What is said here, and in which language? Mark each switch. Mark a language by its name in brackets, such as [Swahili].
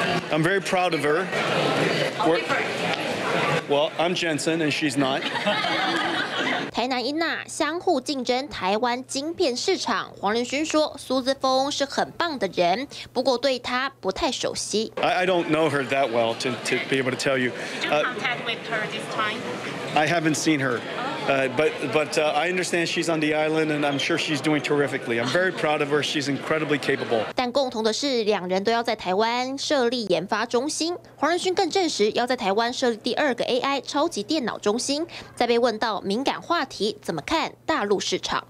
[English] I'm very proud of her. Well, I'm Jensen, and she's not. [Chinese] 台南英娜相互竞争台湾晶片市场。黄仁勋说，苏姿峰是很棒的人，不过对他不太熟悉。 [English] I don't know her that well to be able to tell you. Did you contact with her this time? I haven't seen her, but I understand she's on the island, and I'm sure she's doing terrifically. I'm very proud of her. She's incredibly capable. [Chinese] 但共同的是，两人都要在台湾设立研发中心。黄仁勋更证实，要在台湾设立第二个 AI 超级电脑中心。在被问到敏感话题怎么看大陆市场